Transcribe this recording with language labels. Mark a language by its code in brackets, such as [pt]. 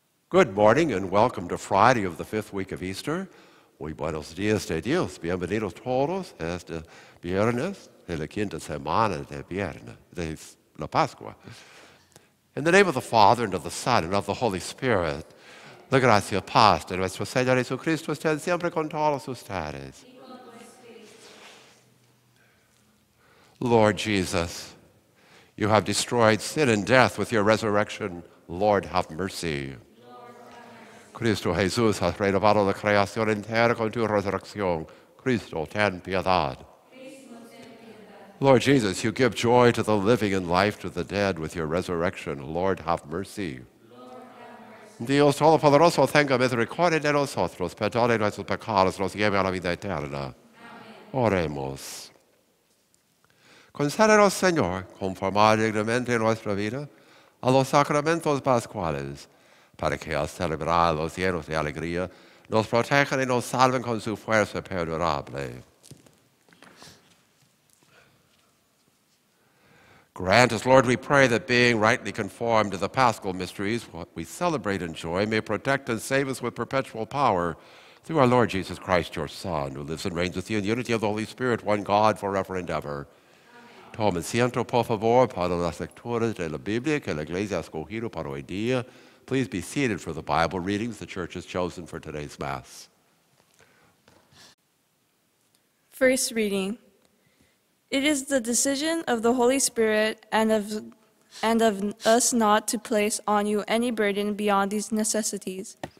[en] Good morning and welcome to Friday of the fifth week of Easter. [es] Muy buenos días de Dios. Bienvenidos todos este viernes en la quinta semana de viernes, de la Pascua. [en] In the name of the Father, and of the Son, and of the Holy Spirit, [es] la gracia paz de nuestro Señor Jesucristo esté siempre con todos ustedes. [en] Lord Jesus, you have destroyed sin and death with your resurrection. Lord, have mercy. [es] Cristo Jesús has renovado la creación entera con tu resurrección. Cristo, ten piedad. [en] Lord Jesus, you give joy to the living and life to the dead with your resurrection. Lord, have mercy. [es] Dios Todopoderoso, tenga misericordia de nosotros. Perdone nuestros pecados, nos lleve a la vida eterna. Oremos. Concédenos, Señor, conformar dignamente nuestra vida a los sacramentos pascuales, para que al celebrar los llenos de alegría, nos protejan y nos salven con su fuerza perdurable. [en] Grant us, Lord, we pray, that being rightly conformed to the Paschal mysteries, what we celebrate in joy may protect and save us with perpetual power through our Lord Jesus Christ, your Son, who lives and reigns with you in unity of the Holy Spirit, one God, forever and ever. [es] Tome asiento, por favor, para las lecturas de la Biblia que la Iglesia ha escogido para hoy día. [en] Please be seated for the Bible readings the Church has chosen for today's Mass. First reading. It is the decision of the Holy Spirit and of us not to place on you any burden beyond these necessities.